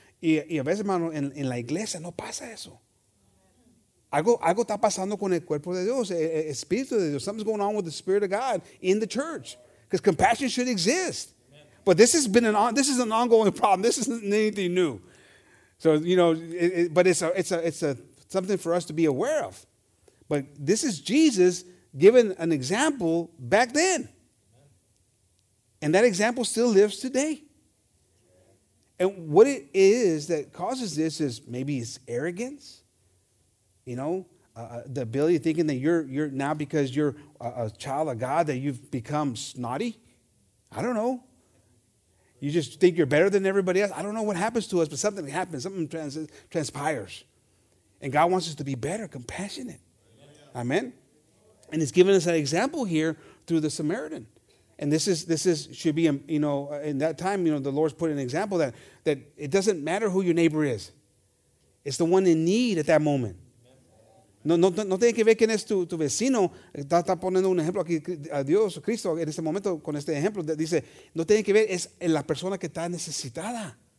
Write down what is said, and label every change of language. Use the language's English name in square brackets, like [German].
[Spanish] Y a veces, hermanos, en la iglesia no pasa eso. Algo está pasando con el cuerpo de Dios, el espíritu de Dios. [English] Something's going on with the Spirit of God in the church, because compassion should exist. But this has been an ongoing problem. This isn't anything new. So, you know, it's something for us to be aware of. But this is Jesus giving an example back then. And that example still lives today. And what it is that causes this is maybe it's arrogance. You know, the ability of thinking that you're now because you're a child of God that you've become snotty. I don't know. You just think you're better than everybody else. I don't know what happens to us, but something happens. Something transpires. And God wants us to be better, compassionate. Amen. Amen. And he's given us an example here through the Samaritan. And this is should be, you know, in that time, you know, the Lord's put an example that it doesn't matter who your neighbor is. It's the one in need at that moment. [Spanish] No tiene que ver quién es tu vecino. Está poniendo un ejemplo aquí a Dios, Cristo, en este momento con este ejemplo. Dice, no tiene que ver, es la persona que está necesitada.